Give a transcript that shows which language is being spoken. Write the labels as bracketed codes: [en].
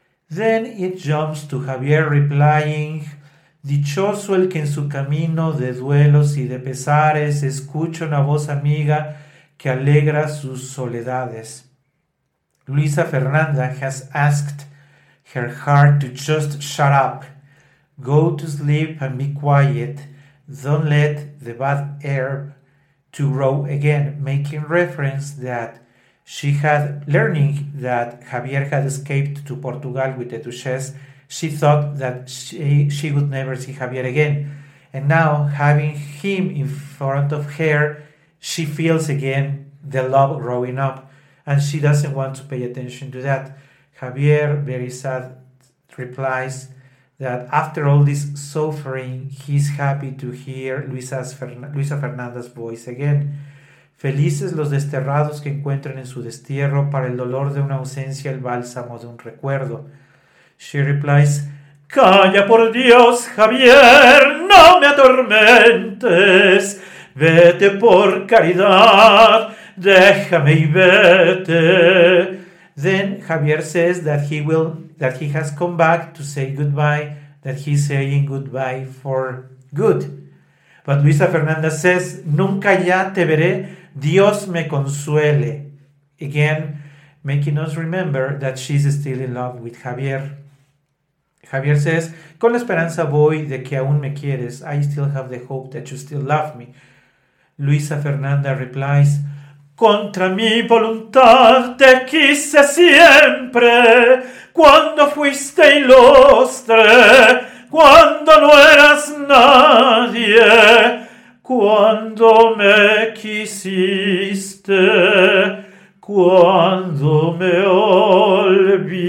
[en] Then it jumps to Javier replying, [es] dichoso el que en su camino de duelos y de pesares escucha una voz amiga que alegra sus soledades. [en] Luisa Fernanda has asked her heart to just shut up, go to sleep and be quiet, don't let the bad air to grow again, making reference that she had learning that Javier had escaped to Portugal with the Duchess, She thought that she would never see Javier again. And now, having him in front of her, she feels again the love growing up. And she doesn't want to pay attention to that. Javier, very sad, replies that after all this suffering, he's happy to hear Luisa Fernanda's voice again. [es] Felices los desterrados que encuentran en su destierro, para el dolor de una ausencia el bálsamo de un recuerdo. [en] She replies, [es] calla por Dios, Javier, no me atormentes, vete por caridad, déjame y vete. [en] Then Javier says that he has come back to say goodbye, that he's saying goodbye for good. But Luisa Fernanda says, [es] nunca ya te veré, Dios me consuele. [en] Again, making us remember that she's still in love with Javier. Javier says, [es] con la esperanza voy de que aún me quieres. [en] I still have the hope that you still love me. Luisa Fernanda replies, [es] contra mi voluntad te quise siempre, cuando fuiste ilustre, cuando no eras nadie, cuando me quisiste, cuando me olvidaste.